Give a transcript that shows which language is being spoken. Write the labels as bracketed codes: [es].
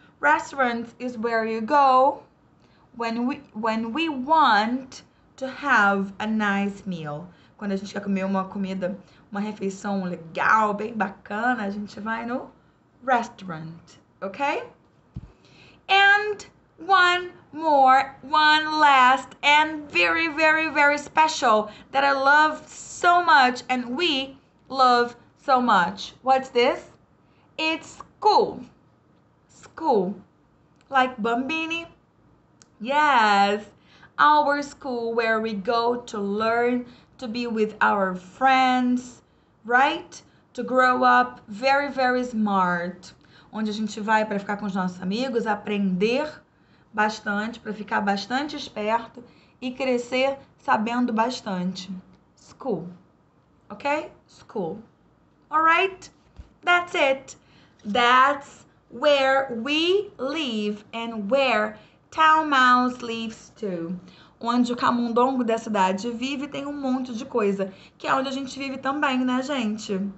[en] Restaurants is where you go when we want to have a nice meal. [pt] Quando a gente quer comer uma comida, uma refeição legal, bem bacana, a gente vai no restaurant, ok? [en] And one more, one last, and very, very, very special that I love so much and we love so much. What's this? It's school. School. Like Bambini? Yes. Our school where we go to learn, to be with our friends, right? To grow up very, very smart. [pt] Onde a gente vai para ficar com os nossos amigos, aprender bastante, para ficar bastante esperto e crescer sabendo bastante. [en] School. Ok? School. Alright? That's it. That's where we live and where Town Mouse lives too. [pt] Onde o camundongo da cidade vive tem um monte de coisa, que é onde a gente vive também, né, gente?